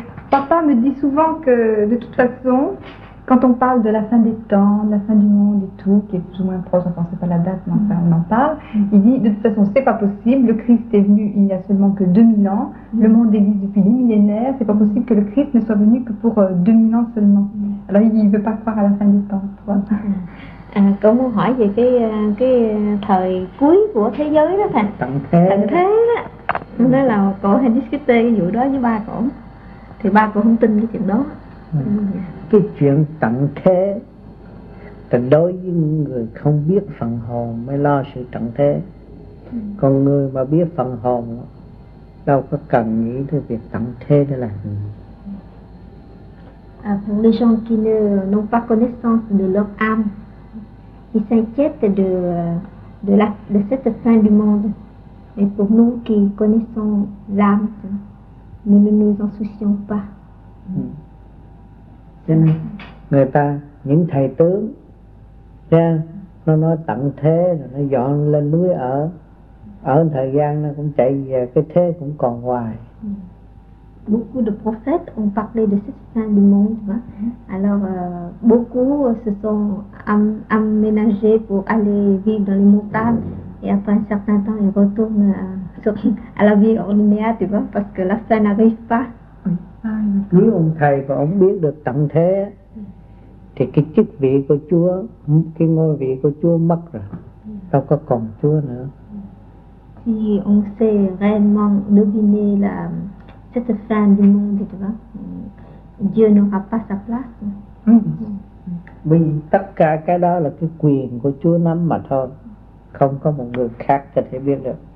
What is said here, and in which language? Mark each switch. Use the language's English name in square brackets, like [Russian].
[French] Papa me dit souvent que, de toute façon, quand on parle de la fin des temps, de la fin du monde et tout, qui est plus ou moins proche, enfin c'est pas la date, mais enfin on en parle, il dit, de toute façon, c'est pas possible, le Christ est venu il n'y a seulement que 2000 ans, le monde existe depuis des millénaires, c'est pas possible que le Christ ne soit venu que pour 2000 ans seulement. Alors il veut pas croire à la fin des temps, tu vois. [Vietnamese] Cô muốn hỏi về cái thời cuối của thế giới đó thầy. Tận thế đó. Nói là cổ hay discute vụ đó với ba cổ. Thì ba cổ không tin cái chuyện đó. Cái chuyện tận thế thì đối với người không biết phần hồn mới lo sự tận thế. Còn người mà biết phần hồn đâu có cần nghĩ tới việc tận thế để làm gì. [French] Pour les gens qui n'ont pas connaissance de leur âme, ils s'inquiètent de cette fin du monde. Mais pour nous qui connaissons l'âme, nous ne nous en soucions pas. [Vietnamese] Nên người ta, những thầy tướng, nó nói tận thế, rồi nó dọn lên núi ở. Ở thời gian nó cũng chạy về, cái thế cũng còn hoài. [French] Beaucoup de prophètes ont parlé de cette fin du monde. Hein? Alors, beaucoup se sont aménagés pour aller vivre dans les montagnes. Et après un certain temps, ils retournent à la vie ordinaire, tu vois, parce que la fin n'arrive pas. [Vietnamese] Nếu ông thầy và ông biết được tận thế, thì cái chức vị của Chúa, cái ngôi vị của Chúa mất rồi, đâu có còn Chúa nữa. [French] Si on sait réellement deviner la cette fin du monde, tu vois, Dieu n'aura pas sa place. [Vietnamese] Vì tất cả cái đó là cái quyền của Chúa nắm mà thôi, không có một người khác có thể biết được.